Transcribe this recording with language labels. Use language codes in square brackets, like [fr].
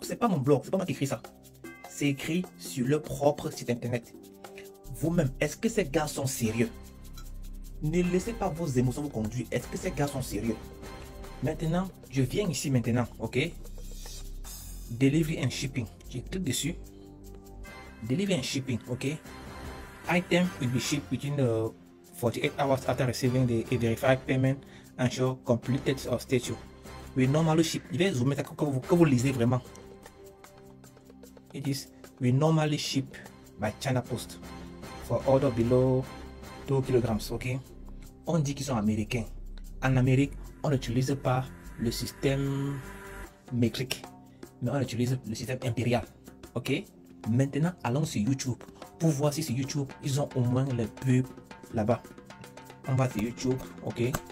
[fr] C'est pas moi qui écris ça. C'est écrit sur leur propre site internet. Vous-même, est-ce que ces gars sont sérieux? Ne laissez pas vos émotions vous conduire. Est-ce que ces gars sont sérieux? Maintenant, je viens ici maintenant, ok? [en] Delivery and shipping. [fr] Je clique dessus. [en] Delivery and shipping, ok? Item will be shipped within the 48 hours after receiving the verified payment and show completed or statue. We normally ship. [fr] Je vais zoomer ça que vous lisez vraiment. [en] It is we normally ship by China Post for order below 2 kg, ok? [fr] On dit qu'ils sont américains. En Amérique, on n'utilise pas le système métrique, mais on utilise le système impérial. Ok? Maintenant, allons sur YouTube pour voir si sur YouTube ils ont au moins les pubs là-bas. On va sur YouTube. Ok?